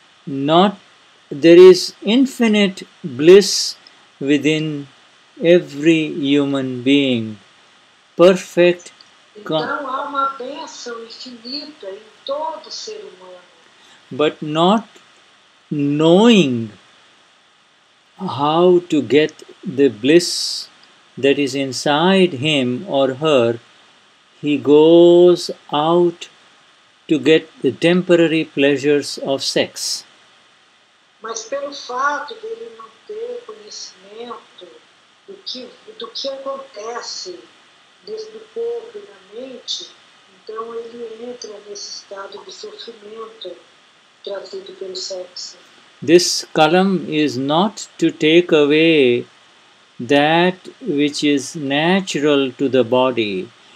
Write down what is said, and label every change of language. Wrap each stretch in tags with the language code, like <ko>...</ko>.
<en>There is infinite bliss within every human being, perfect.</en> <pt>Então há uma bênção infinita em todo ser humano.</pt> <en>But not knowing how to get the bliss that is inside him or her, he goes out to get the temporary pleasures of sex.</en> <pt>Mas pelo fato de ele não ter conhecimento do que acontece dentro do corpo e na mente, então ele entra nesse estado de sofrimento trazido pelo sexo.</pt> <en>This kalam is not to take away that which is natural to the body.</en>